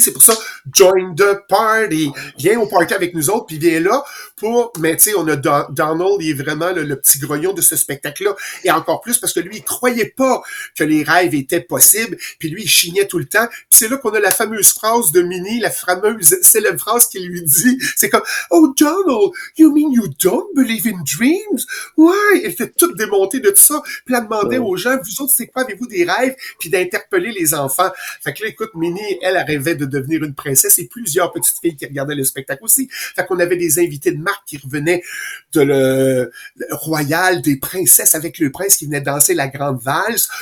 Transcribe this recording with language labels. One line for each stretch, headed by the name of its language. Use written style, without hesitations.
French: C'est pour ça,
English: join the party.
French: Viens au party avec nous autres, puis viens là pour, mais tu sais, on a Donald, il est vraiment le petit grognon de ce spectacle-là. Et encore plus parce que lui, il croyait pas que les rêves étaient possibles, puis lui, il chignait tout le temps. Puis c'est là qu'on a la fameuse phrase de Minnie, la fameuse célèbre phrase qu'il lui dit. C'est comme,
English: oh, Donald, you mean you don't believe in dreams?
French: Ouais, elle était toute démontée de tout ça. Puis elle demandait aux gens, vous autres, c'est quoi, avez-vous des rêves? Puis d'interpeller les enfants. Fait que là, écoute, Minnie, elle rêvait de devenir une princesse et plusieurs petites filles qui regardaient le spectacle aussi. Fait qu'on avait des invités de marque qui revenaient de le royal, des princesses avec le prince qui venait danser la grande valse.